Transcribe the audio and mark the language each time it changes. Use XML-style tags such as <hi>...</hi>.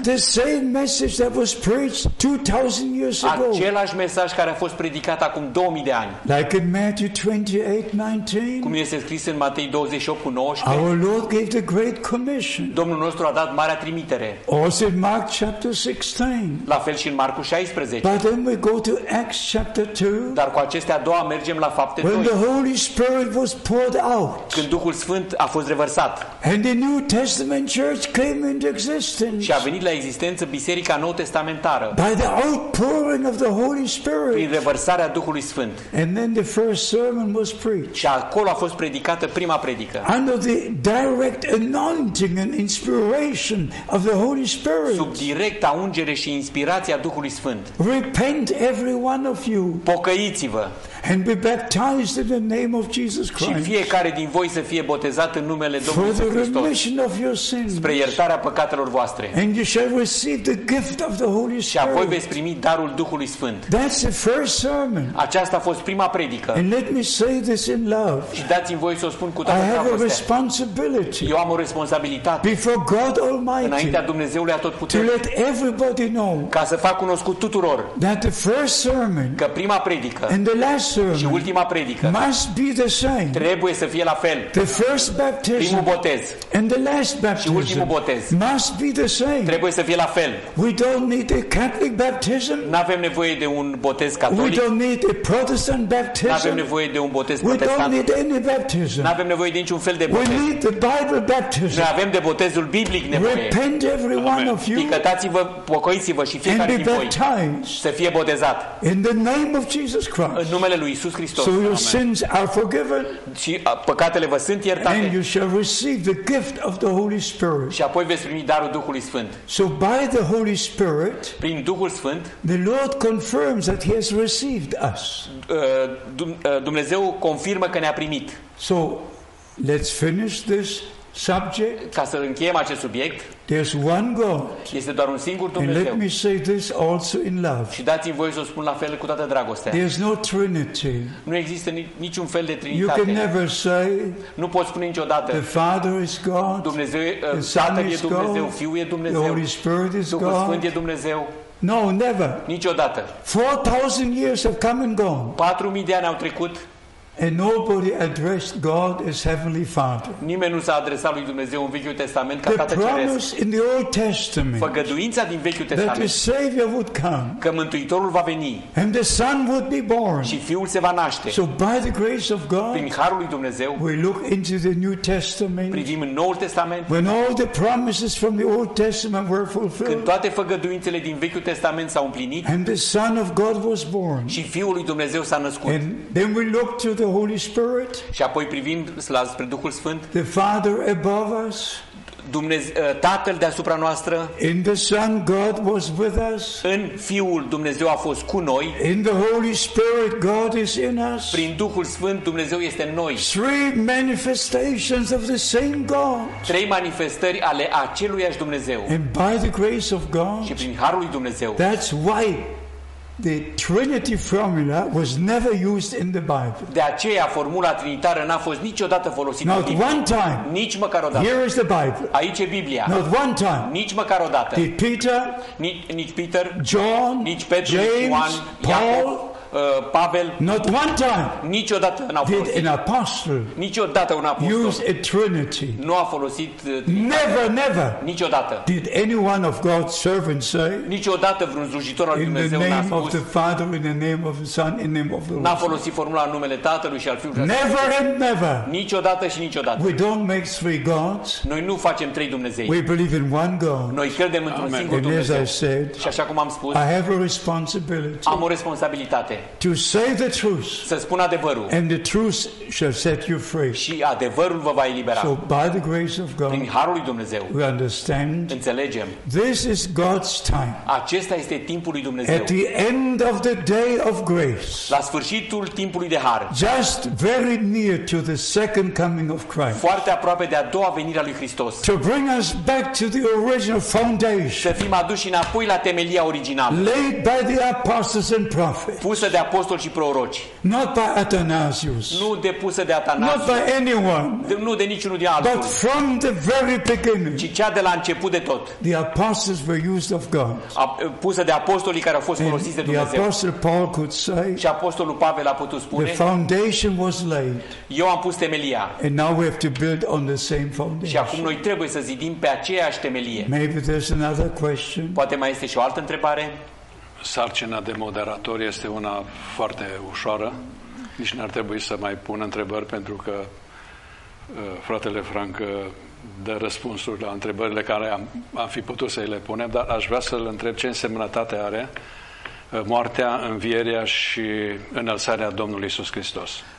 <en>The same message that was preached 2000 years ago.</en> <ro>Același mesaj care a fost predicat acum 2000 de ani.</ro> <en>Like in Matthew 28:19.</en> <ro>Cum este scris în Matei 28:19.</ro> <en>Our Lord gave the great commission.</en> <ro>Domnul nostru a dat marea trimitere.</ro> <en>Also in Mark chapter 16.</en> <ro>La fel și în Marcu 16.</ro> <en>But then we go to Acts chapter 2.</en> <ro>Dar cu acestea doua mergem la Fapte 2.</ro> <en>When the Holy Spirit was poured out.</en> <ro>Când Duhul Sfânt a fost revărsat.</ro> <en>And the New Testament church came into existence.</en> <ro>Și a venit la existență biserica nou testamentară.</ro> <en>By the outpouring of the Holy Spirit.</en> <ro>Prin revărsarea Duhului Sfânt.</ro> <en>And then the first sermon was preached.</en> <ro>Și acolo a fost predicată prima predică.</ro> <en>Under the direct anointing and inspiration of the Holy Spirit.</en> <ro>Sub directa ungere și inspirația Duhului Sfânt.</ro> <en>Repent every one of you.</en> <ro>Pocăiți-vă.</ro> <en>And be baptized in the name of Jesus Christ.</en> <ro>Și fiecare din voi să fie botezat în numele Domnului Hristos.</ro> <en>For the remission of your sins.</en> <ro>Spre iertarea păcatelor voastre.</ro> <en>And you shall receive the gift of the Holy Spirit.</en> <ro>Și apoi veți primi darul Duhului Sfânt.</ro> <en>That's the first sermon.</en> <ro>Aceasta a fost prima predică.</ro> <en>And let me say this in love.</en> <ro>Și dați-mi voie să o spun cu toată dragostea.</ro> <en>I have a responsibility.</en> <ro>Eu am o responsabilitate.</ro> <en>Before God Almighty.</en> <ro>Înaintea Dumnezeului Atotputernic.</ro> <en>To let everybody know.</en> <ro>Ca să fac cunoscut tuturor.</ro> <en>That the first sermon.</en> <ro>Că prima predică.</ro> <en>And the last sermon.</en> <ro>Și ultima predică.</ro> <en>Must be the same.</en> <ro>Trebuie să fie la fel.</ro> <en>The first baptism.</en> <ro>Primul botez.</ro> <en>And the last baptism.</en> <ro>Și ultimul botez.</ro> <en>Must be the same.</en> <ro>Trebuie să fie la fel.</ro> <en>We don't need a Catholic baptism.</en> <ro>N-avem nevoie de un botez catolic.</ro> <en>We don't need a Protestant baptism.</en> <ro>N-avem nevoie de un botez protestant.</ro> <en>We don't need any baptism.</en> <ro>N-avem nevoie de niciun fel de botez.</ro> <en>We need the Bible baptism.</en> <ro>Noi avem de botezul biblic nevoie.</ro> <en>Repent every one of you.</en> <ro>Picătați-vă, pocăiți-vă și fiecare</ro> <en>and</en> <ro>din</ro> <en>be</en> <ro>voi. Să fie botezat.</ro> <en>In the name of Jesus Christ.</en> <ro>În numele lui Iisus Hristos.</ro> <en>So your sins are forgiven.</en> <ro>Și păcatele vă sunt iertate.</ro> <en>And you shall receive the gift of the Holy Spirit.</en> <ro>Și apoi veți primi darul Duhului Sfânt.</ro> <en>So by the Holy Spirit.</en> <ro>Prin Duhul Sfânt.</ro> <en>The Lord confirms that he has received us.</en> <ro>Dumnezeu confirmă că ne-a primit.</ro> <en>So, let's finish this subject.</en> <ro>Ca să încheiem acest subiect.</ro> <en>There's one God.</en> <ro>Este doar un singur Dumnezeu.</ro> <en>And let me say this also in love.</en> <ro>Și dați-mi voie să o spun la fel cu toată dragostea.</ro> <en>There's no Trinity.</en> <ro>Nu există niciun fel de trinitate.</ro> <en>You can never say.</en> <ro>Nu poți spune niciodată.</ro> <en>The Father is God.</en> <ro>Dumnezeu, Tatăl e Dumnezeu, Fiul e Dumnezeu.</ro> <en>The Holy Spirit is God.</en> <ro>Duhul Sfânt e Dumnezeu.</ro> <en>No, never.</en> <ro>Niciodată.</ro> <en>4000 years have come and gone.</en> <ro>4000 de ani au trecut.</ro> <en>And nobody addressed God as Heavenly Father.</en> <ro>Nimeni nu s-a adresat lui Dumnezeu în Vechiul Testament ca Tată Ceresc.</ro> <en>The promise in the Old Testament.</en> <ro>Făgăduința din Vechiul Testament.</ro> <en>That the Savior would come.</en> <ro>Că Mântuitorul va veni.</ro> <en>And the Son would be born.</en> <ro>Și Fiul se va naște.</ro> <en>So by the grace of God.</en> <ro>Prin harul lui Dumnezeu.</ro> <en>We look into the New Testament.</en> <ro>Privim în Noul Testament.</ro> <en>When all the promises from the Old Testament were fulfilled.</en> <ro>Când toate făgăduințele din Vechiul Testament s-au împlinit.</ro> <en>And the Son of God was born.</en> <ro>Și Fiul lui Dumnezeu s-a născut.</ro> <en>And then we look to the Holy Spirit.</en> <ro>Și apoi privim la Duhul Sfânt.</ro> <en>The Father above us.</en> <ro>Tatăl deasupra noastră.</ro> <en>In the Son God was with us.</en> <ro>În Fiul Dumnezeu a fost cu noi.</ro> <en>In the Holy Spirit God is in us.</en> <ro>Prin Duhul Sfânt Dumnezeu este în noi.</ro> <en>Three manifestations of the same God.</en> <ro>Trei manifestări ale aceluiași Dumnezeu.</ro> <en>And by the grace of God.</en> <ro>Și prin harul lui Dumnezeu.</ro> <en>That's why the Trinity formula was never used in the Bible.</en> <ro>De aceea formula trinitară n-a fost niciodată folosită.</ro> <en>Not one time.</en> <ro>Nici măcar o dată.</ro> <en>Here is the Bible.</en> <ro>Aici e Biblia.</ro> <en>Not one time.</en> <ro>Nici măcar o dată.</ro> <en>Did Peter?</en> <ro>Nici Peter.</ro> <en>John?</en> <ro>Nici Petru.</ro> <en>James?</en> <ro>Ioan,</ro> <en>Paul?</en> <ro>Pavel?</ro> <en>Not one time.</en> <ro>Niciodată n-a folosit.</ro> <en>Did an apostle?</en> <ro>Niciodată un apostol.</ro> <en>Use a Trinity?</en> <ro>Nu a folosit.</ro> <en>Never, never.</en> <ro>Niciodată.</ro> <en>Did any one of God's servants say?</en> <ro>Niciodată vreun slujitor al lui Dumnezeu n-a spus.</ro> <en>In the name of the Father, in the name of the Son, in the name of the Lord.</en> <ro>N-a folosit formula în numele Tatălui și al Fiului.</ro> <en>Never and never.</en> <ro>Niciodată și niciodată.</ro> <en>We don't make three gods.</en> <ro>Noi nu facem trei Dumnezei.</ro> <en>We believe in one God.</en> <ro>Noi credem într-un singur Dumnezeu.</ro> <en>And as I said,</en> <ro>și așa cum am spus,</ro> <en>I have a responsibility.</en> <ro>Am o responsabilitate.</ro> <en>To say the truth.</en> <ro>Să spun adevărul.</ro> <en>And the truth shall set you free.</en> <ro>Și adevărul vă va elibera.</ro> <en>So by the grace of God.</en> <ro>Prin harul lui Dumnezeu.</ro> <en>We understand.</en> <ro>Înțelegem.</ro> <en>This is God's time.</en> <ro>Acesta este timpul lui Dumnezeu.</ro> <en>At the end of the day of grace.</en> <ro>La sfârșitul timpului de har.</ro> <en>Just very near to the second coming of Christ.</en> <ro>Foarte aproape de a doua venire a lui Hristos.</ro> <en>To bring us back to the original foundation.</en> <ro>Să fim aduși înapoi la temelia originală.</ro> <en>Laid by the apostles and prophets.</en> <ro>De apostoli și proroci.</ro> <en>Not by Athanasius.</en> <ro>Nu depusă de Athanasius.</ro> <en>Not by anyone.</en> <ro>Nu de niciunul din altul.</ro> <en>But from the very beginning.</en> <ro>Ci cea de la început de tot.</ro> <en>The apostles were used of God.</en> <ro>Pusă de apostolii care au fost folosiți de Dumnezeu.</ro> <en>The apostle Paul could say.</en> <ro>Și apostolul Pavel a putut spune.</ro> <en>The foundation was laid.</en> <ro>Eu am pus temelia.</ro> <en>And now we have to build on the same foundation.</en> <ro>Și acum noi trebuie să zidim pe aceeași temelie.</ro> <en>Maybe there's another question.</en> <ro>Poate mai este și o altă întrebare. Sarcina de moderator este una foarte ușoară. Nici n-ar trebui să mai pun întrebări pentru că fratele Frank dă răspunsuri la întrebările care am fi putut să le punem, dar aș vrea să-l întreb ce însemnătate are moartea, învierea și înălțarea Domnului Iisus Hristos.</ro>